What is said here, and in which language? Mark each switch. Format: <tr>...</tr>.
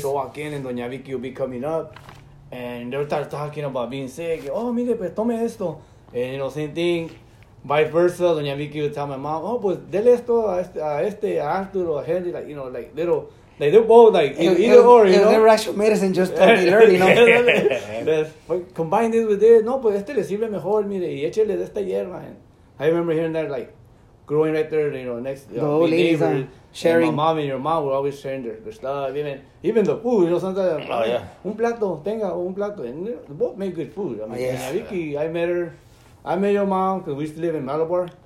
<en>She'll walk in and Doña Vicky will be coming up and they'll start talking about being sick. Oh,</en> <es>mire, pues tome esto.</es> <en>And, you know, same thing, vice versa, Doña Vicky would tell my mom, oh,</en> <es>pues dele esto a este,</es> <en>a Arthur or a Henry, like, you know, like little. Like they're both like either or, you know. Their actual medicine just told me early, you know. Combine this with this.</en> <es>No, pues este le sirve mejor, mire, y échale de esta hierba.</es> <en>I remember hearing that, like, growing right there, you know, next to the old ladies and sharing. My mom and your mom were always sharing their stuff, even the food, you know, sometimes. Oh, yeah.</en> <es>Un plato, tenga un plato.</es> <en>And they both make good food. I mean, yes. Vicky, I met her. I met your mom because we used to live in Malabar.</en>